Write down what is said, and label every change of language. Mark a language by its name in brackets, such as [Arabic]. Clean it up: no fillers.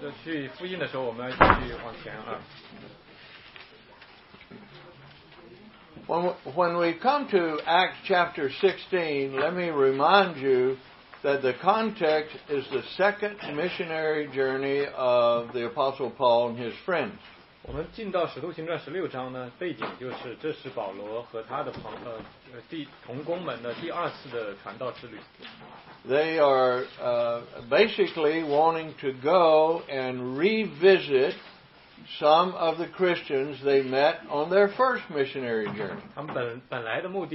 [Chinese] 对，我们，Roy弟兄去复印的时候，我们要继续往前啊。 [English] When we come to Acts chapter 16, let me remind you that the context is the second missionary journey of the Apostle Paul and his friends. [Chinese] 我们进到《使徒行传》16章呢，背景就是这是保罗和他的同工们的第二次的传道之旅。They [English] are basically wanting to go and revisit some of the Christians they met on their first missionary journey.